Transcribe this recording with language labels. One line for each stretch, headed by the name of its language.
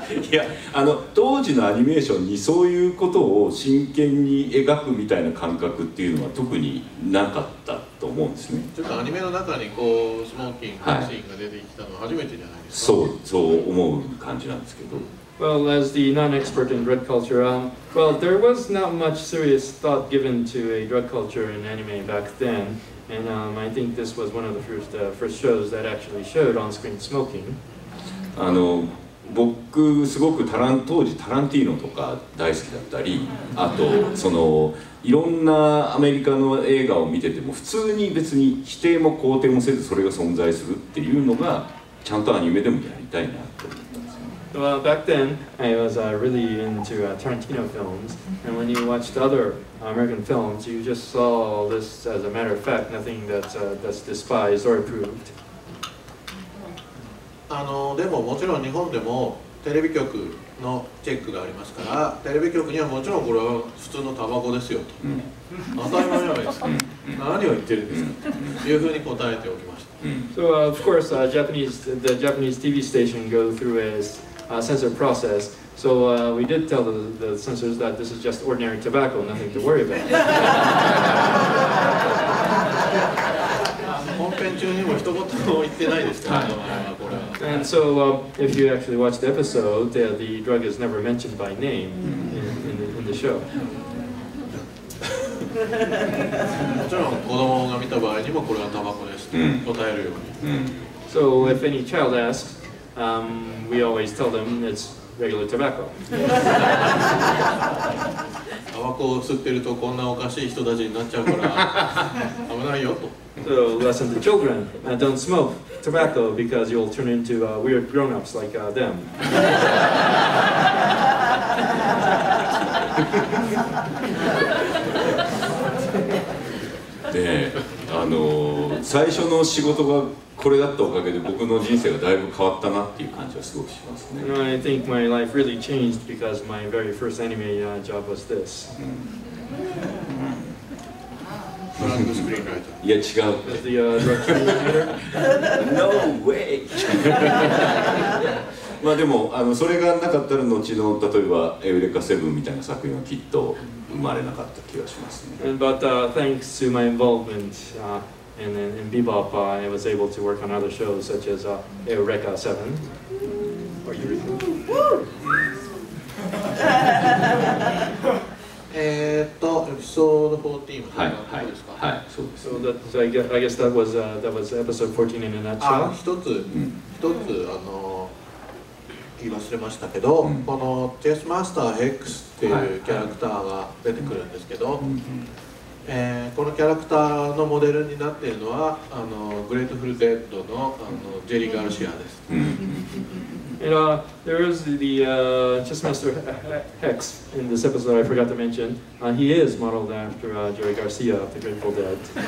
Japanese: いや、当時のアニメーションにそういうことを真剣に描くみたいな感覚っていうのは特になかったと思うんですね。ちょっとアニメの中にこうスモーキングのシーンが出てきたのは初めてじゃないですか。はい、そう思う感じなんですけど。
English: Well, as the non-expert in drug culture, well, there was not much serious thought given to a drug culture in anime back then, and I think this was one of the first shows that actually showed on-screen smoking.
Japanese: 僕すごく当時タランティーノとか大好きだったり、あとそのいろんなアメリカの映画を見てても普通に別に否定も肯定もせずそれが存在するっていうのがちゃんとアニメでもやりたいなと。
English: Well, back then, I was really into Tarantino films, and when you watched other American films, you just saw this as a matter of fact, nothing that's despised or approved.
Japanese: でももちろん日本でもテレビ局のチェックがありますから、テレビ局にはもちろんこれは普通のタバコですよと。当たり前じゃないですか。何を言ってるんですかというふうに答えておきました。
English: So, of course, the Japanese TV station go through asensor process. So we did tell the censors that this is just ordinary tobacco, nothing to worry about.
Japanese: 本編中にも一言も言ってないですか。
English: And so if you actually watch the episode, the drug is never mentioned by name in the show.
Japanese: もちろん子供が見た場合にもこれはタバコですと答えるように。
English: So if any child asks,we always tell them it's regular tobacco.
Japanese: タバコを吸ってるとこんなおかしい人たちになっちゃうから危ないよと。
English: So lesson to children, don't smoke tobacco because you'll turn into weird grown-ups like them.
Japanese: で、最初の仕事がこれだったおかげで僕の人生がだいぶ変わったなっていう感じはすごくしますね。
English: I think my life really changed because my very first anime job was this.
Japanese: いや違う。
English: The drug screenwriter? No way!
Japanese: まあでもそれがなかったら後の例えばエウレカ7みたいな作品はきっと生まれなかった気がしますね。
English: But thanks to my involvement, And then in Bebop, I was able to work on other shows such as Eureka 7. Or Eureka. Episode 14.
Japanese: はい、はい、ですか。はい、そうです、ね。
English: So that, so I guess that was episode 14 in a nutshell.
Japanese: 一つ、一つ、あの、言い忘れましたけど、うん、このテスマスター X っていうキャラクターが出てくるんですけど、はいはい、このキャラクターのモデルになっているのは、あの、グレートフルデッドの、あの、ジェリー・ガルシアです。
English: And there is the Chessmaster Hex in this episode. I forgot to mention. He is modeled after Jerry Garcia of the Grateful Dead.